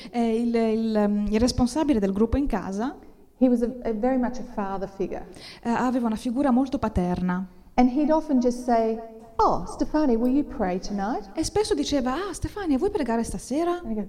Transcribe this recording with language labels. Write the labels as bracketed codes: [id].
[it] E il responsabile del gruppo in casa. [en] He was a very much a father figure. [it] Aveva una figura molto paterna. [en] And he'd often just say, "Oh, Stefania, will you pray tonight?" [it] E spesso diceva, "Ah, Stefania, vuoi pregare stasera?"